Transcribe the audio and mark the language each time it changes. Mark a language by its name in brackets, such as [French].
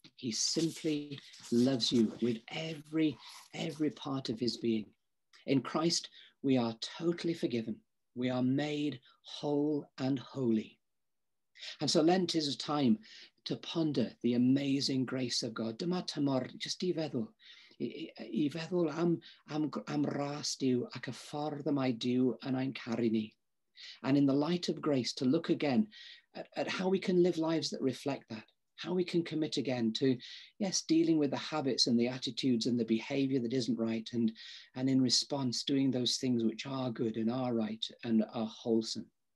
[English] He simply loves you with every part of his being. In Christ, we are totally forgiven. We are made whole and holy. And so Lent is a time to ponder the amazing grace of God. [Welsh] Dyma tymor, just i feddwl am ras Dyw ac y ffordd y mae Dyw yn ein caru ni. [English] And in the light of grace, to look again at how we can live lives that reflect that. How we can commit again to, yes, dealing with the habits and the attitudes and the behavior that isn't right, and in response, doing those things which are good and are right and are wholesome.